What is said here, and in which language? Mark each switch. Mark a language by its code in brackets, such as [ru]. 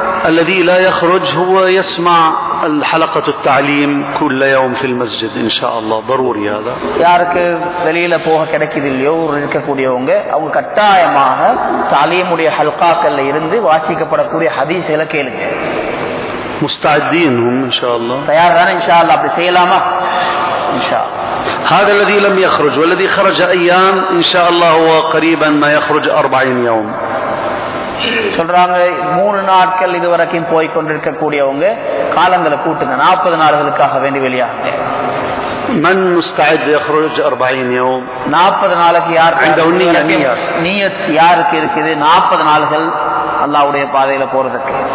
[ar] الذي لا يخرج هو يسمع الحلقة التعليم كل يوم في المسجد ان شاء الله ضروري هذا [ta] யாருக்கு வெளியில போக கிடைக்கவில்லையோ இருக்க கூடியவங்க அவங்க கட்டாயமாக தாலியுடைய ஹல்காக்கல்ல இருந்து வாசிக்கப்படக்கூடிய ஹதீஸ்களை கேளுங்க. [ar] مستعدين هم ان شاء الله [ur] تیار ہیں ان شاء الله [ta] அப்படி செய்யலாமா [ur] ان شاء الله. [ar] هذا الذي لم يخرج والذي خرج ايام ان شاء الله هو قريبا ما يخرج 40 يوم. [ta] சொல்றாங்க மூணு நாட்கள் இதுவரைக்கும் போய் கொண்டிருக்க கூடியவங்க காலங்களை கூட்டுங்க 40 நாட்களுக்காக வேண்டி வெளியாக. [ar] من مستعد يخرج 40 يوم [ta] 40 நாளுக்கு யார் நியத் யாருக்கு இருக்குது 40 நாட்கள் அல்லாஹ்வுடைய பாதையில போறதுக்கு.